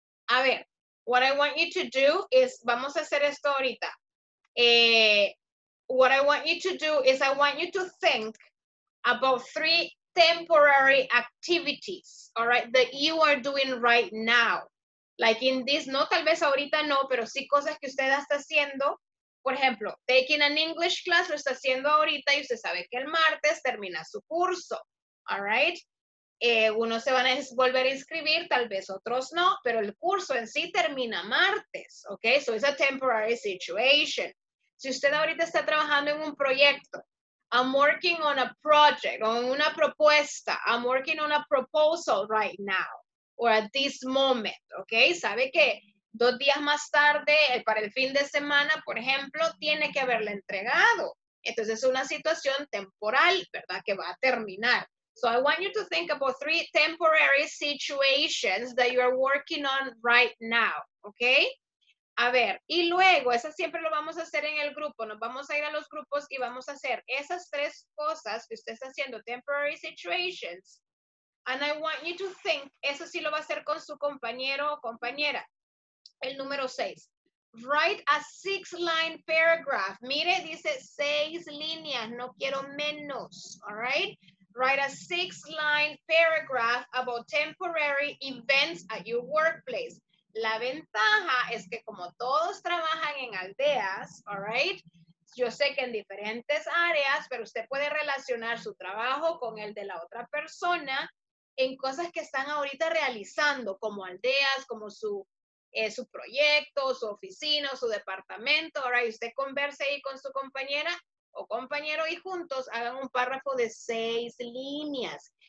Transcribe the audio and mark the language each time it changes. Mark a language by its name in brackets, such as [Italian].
[English] A ver, what I want you to do is, [Spanish] vamos a hacer esto ahorita. [English] What I want you to do is I want you to think about three temporary activities, all right, that you are doing right now. Like in this, [Spanish] no, tal vez ahorita no, pero sí cosas que usted está haciendo. Por ejemplo, [English] taking an English class [Spanish] lo está haciendo ahorita y usted sabe que el martes termina su curso, all right. Unos se van a volver a inscribir, tal vez otros no, pero el curso en sí termina martes, okay? [English] So it's a temporary situation. [Spanish] Si usted ahorita está trabajando en un proyecto, [English] I'm working on a project, on [Spanish] una propuesta. [English] I'm working on a proposal right now, or at this moment, okay? [Spanish] Sabe que dos días más tarde, para el fin de semana, por ejemplo, tiene que haberla entregado. Entonces es una situación temporal, ¿verdad? Que va a terminar. [English] So I want you to think about three temporary situations that you are working on right now, okay? [Spanish] A ver, y luego, eso siempre lo vamos a hacer en el grupo. Nos vamos a ir a los grupos y vamos a hacer esas tres cosas que usted está haciendo, [English] temporary situations. And I want you to think, [Spanish] eso sí lo va a hacer con su compañero o compañera. El número seis. [English] Write a six-line paragraph. [Spanish] Mire, dice seis líneas, no quiero menos, all right? [English] Write a six-line paragraph about temporary events at your workplace. [Spanish] La ventaja es que como todos trabajan en aldeas, all right, yo sé que en diferentes áreas, pero usted puede relacionar su trabajo con el de la otra persona en cosas que están ahorita realizando, como aldeas, como su proyecto, su oficina, su departamento, all right, usted converse ahí con su compañera o compañero y juntos hagan un párrafo de seis líneas.